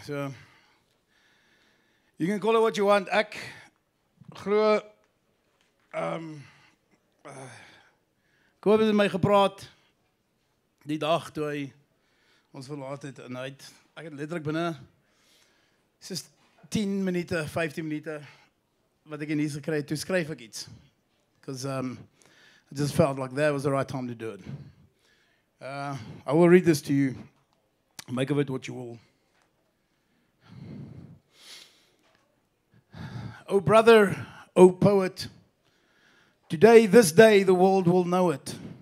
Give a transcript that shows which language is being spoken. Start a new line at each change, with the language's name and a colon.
English: So, you can call it what you want.
Afrikaans: Ek glo Kobus het my gepraat die dag toe hy ons verlaat het, en hy het, ek het letterlik binne 10 minute, 15 minute, wat ek in hier gekry het, toe skryf ek iets.
English: Because I just felt like that was the right time to do it. I will read this to you. Make of it what you will. O brother, O poet, today, this day, the world will know it.